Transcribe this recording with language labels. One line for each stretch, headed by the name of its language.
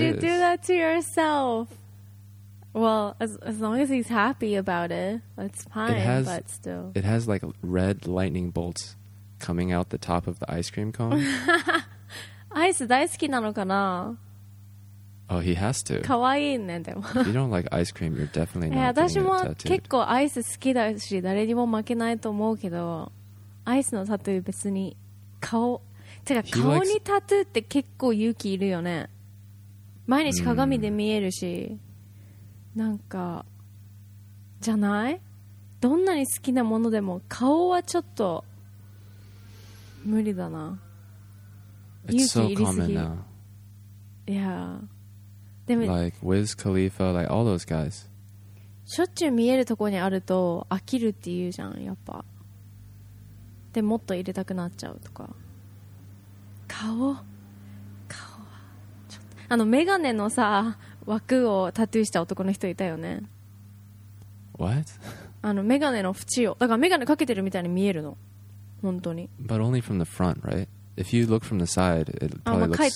English: is. Why would you do that to yourself? Well, as long as he's happy about it, that's fine, but still. It has like red lightning bolts coming out the top of the ice cream cone.
Japanese: Ice 大好きなのかな?
English: Oh, he has to.
Japanese: かわいいね、でも。
English: If you don't like ice cream, you're definitely not getting it tattooed.
Japanese: 私も結構アイス好きだし、誰にも負けないと思うけど、アイスのタトゥー別に顔、てか顔にタトゥーって結構勇気いるよね。毎日鏡で見えるし、なんか、じゃない? どんなに好きなものでも顔はちょっと無理だな。勇気いりすぎ。
English: It's so common now. Yeah. Like Wiz Khalifa, like all those guys.
Japanese: しょっちゅう見えるとこにあると飽きるっていうじゃん、やっぱ。でもっと入れたくなっちゃうとか。顔はちょっと。あのメガネのさ枠をタトゥーした男の人いたよね。
English: What?
Japanese: あのメガネの縁を。だからメガネかけてるみたいに見えるの。本当に。
English: But only from the front, right? If you look from the side, it probably looks stupid.